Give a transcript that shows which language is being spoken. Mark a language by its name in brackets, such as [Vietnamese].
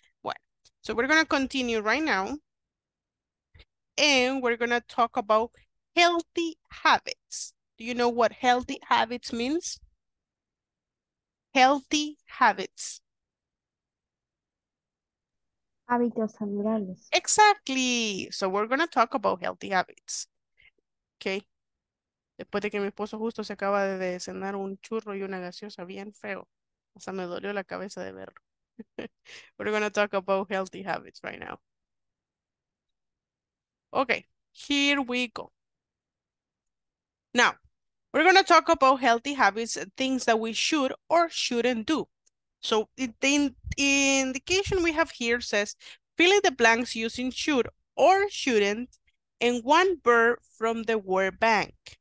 [English] Bueno, so we're going to continue right now. And we're going to talk about healthy habits. Do you know what healthy habits means? Healthy habits. [Spanish] Hábitos saludables. [English] Exactly. So we're going to talk about healthy habits. Okay. [Spanish] Después de que mi esposo justo se acaba de cenar un churro y una gaseosa bien feo. O sea, me dolió la cabeza de verlo. [English] We're going to talk about healthy habits right now. Okay, here we go. Now, we're going to talk about healthy habits, things that we should or shouldn't do. So, the indication we have here says, fill in the blanks using should or shouldn't and one verb from the word bank.